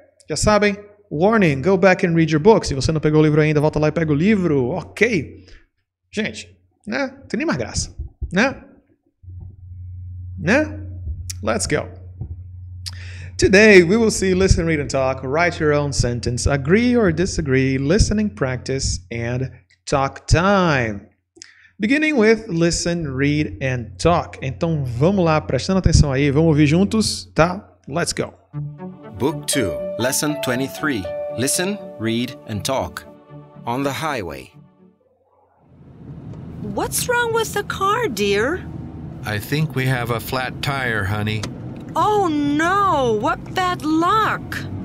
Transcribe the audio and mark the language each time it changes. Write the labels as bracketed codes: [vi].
[pt] Já sabem, [en] warning, go back and read your book. [pt] Se você não pegou o livro ainda, volta lá e pega o livro. Okay. Gente, né? Tem nem mais graça, né? Né? [en] Let's go. Today, we will see listen, read, and talk, write your own sentence, agree or disagree, listening practice, and talk time. Beginning with listen, read, and talk. [pt] Então, vamos lá, prestando atenção aí, vamos ouvir juntos, tá? [en] Let's go. Book 2, Lesson 23, Listen, Read, and Talk, On the Highway. What's wrong with the car, dear? I think we have a flat tire, honey. Oh no, what bad luck!